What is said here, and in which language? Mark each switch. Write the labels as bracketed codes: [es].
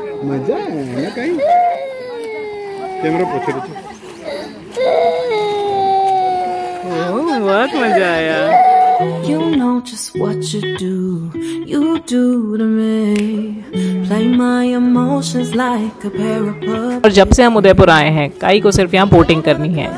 [hi] मजा है ना, कहीं कैमरा पोछे दो, बहुत मजा आया। [en] You know just what you do to me. Play my emotions like a pair of puppets. [hi] और जब से हम उदयपुर आए हैं, काई को सिर्फ यहाँ बोटिंग करनी है।